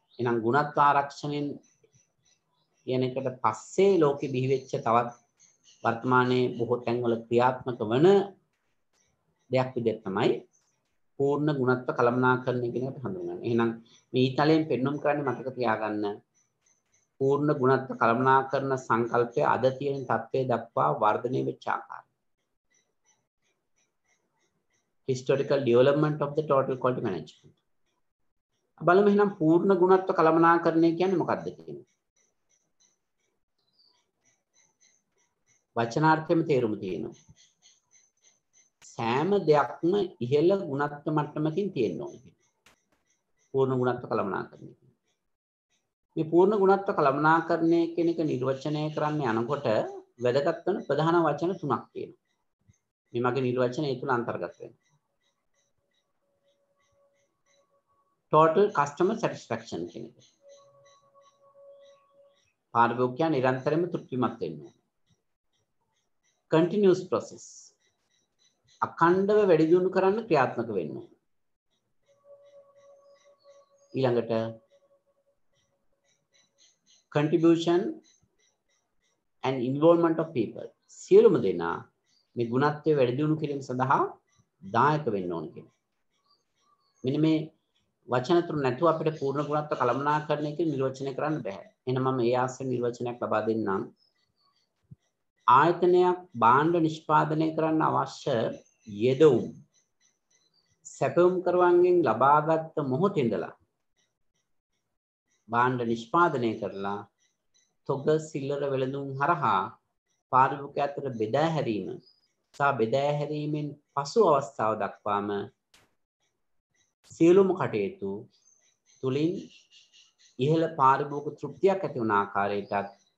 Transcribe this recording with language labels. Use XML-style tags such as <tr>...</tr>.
<si>එහෙනම් ගුණත්ව ආරක්ෂණයෙන් කියන එකට පස්සේ ලෝකෙ බිහි වෙච්ච තවත් වර්තමානයේ බොහෝ තැන්වල ක්‍රියාත්මක වන දෙයක් විදිහට තමයි පූර්ණ ගුණත්ව කළමනාකරණය කියන එක හඳුන්වන්නේ. එහෙනම් මේ ඉතලයෙන් පෙන්නුම් කරන්නේ මතක තියාගන්න පූර්ණ ගුණත්ව කළමනාකරණ සංකල්පය අද තියෙන තත්ත්වයේ දක්වා වර්ධනය වෙච්ච ආකාරය.</si> <en>Historical development of the total quality management.</en> <si>බලමු එහෙනම් පූර්ණ ගුණත්ව කළමනාකරණය කියන්නේ මොකක්ද කියන්නේ. වචනාර්ථයේම තේරුම තියෙනවා. සෑම දෙයක්ම ඉහළ ගුණත්ව මට්ටමකින් තියෙනවා කියන්නේ. පූර්ණ ගුණත්ව කළමනාකරණය. මේ පූර්ණ ගුණත්ව කළමනාකරණය කියන එක නිර්වචනය කරන්න යනකොට වැදගත් වෙන ප්‍රධාන වචන තුනක් තියෙනවා. මේ මගේ නිර්වචනය තුළ අන්තර්ගත වෙනවා.</si> <en>Total customer satisfaction</en> <si>කියන එක. පාරිභෝගිකයා නිරන්තරයෙන්ම තෘප්තිමත් වෙන්න ඕන.</si> <en>Continuous process.</en> <si>අඛණ්ඩව වැඩි දියුණු කරන්න ක්‍රියාත්මක වෙන්න ඕන. ඊළඟට</si> <en>contribution and involvement of people.</en> <si>සියලුම දෙනා මේ ගුණත්වය වැඩි දියුණු කිරීම සඳහා දායක වෙන්න ඕන කියන එක. මෙන්න මේ වචන තුන නැතුව අපිට පූර්ණ ගුණත්ව කළමනාකරණය කියන නිර්වචනය කරන්න බෑ. එහෙනම් මම ඒ ආසන නිර්වචනයක් ලබා දෙන්නම්. ආයතනයක් භාණ්ඩ නිෂ්පාදනය කරන්න අවශ්‍ය යෙදවුම් සැපයුම් කරුවන්ගෙන් ලබාගත් මොහොතේ ඉඳලා භාණ්ඩ නිෂ්පාදනය කරලා තොග සිල්ලර වෙළඳුම් හරහා පාරිභෝගිකයා අතර බෙදා හැරීම සහ බෙදා හැරීමෙන් පසු අවස්ථාව දක්වාම සියලුම කටයුතු තුළින් ඉහළ පාරිභෝගික තෘප්තියක් ඇති වන ආකාරයටත්</si>